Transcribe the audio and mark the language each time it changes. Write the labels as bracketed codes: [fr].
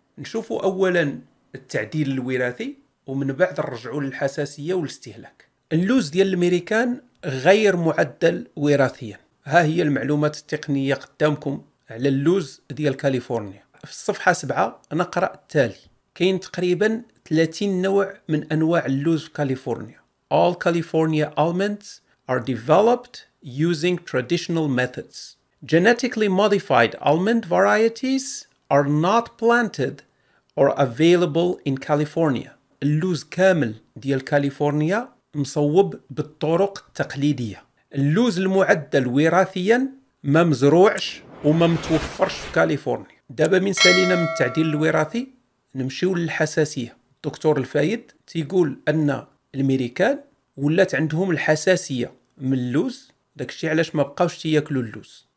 [ar] نشوفوا أولا التعديل الوراثي ومن بعد نرجعوا للحساسية والاستهلاك. اللوز ديال الميريكان غير معدل وراثيا. ها هي المعلومات التقنية قدامكم على اللوز ديال كاليفورنيا. في الصفحة 7 نقرأ التالي. كاين تقريبا 30 نوع من أنواع اللوز في كاليفورنيا، [en] all California almonds are developed using traditional methods. Genetically modified almond varieties are not planted or available in California. [ar] اللوز كامل ديال كاليفورنيا مصوب بالطرق التقليدية. اللوز المعدل وراثيا ما مزروعش وما متوفرش في كاليفورنيا. دابا من سالينا من التعديل الوراثي نمشيو للحساسية. دكتور الفايد تيقول أن الميريكان ولات عندهم الحساسية من اللوز، داكشي علاش ما بقاوش تياكلوا اللوز.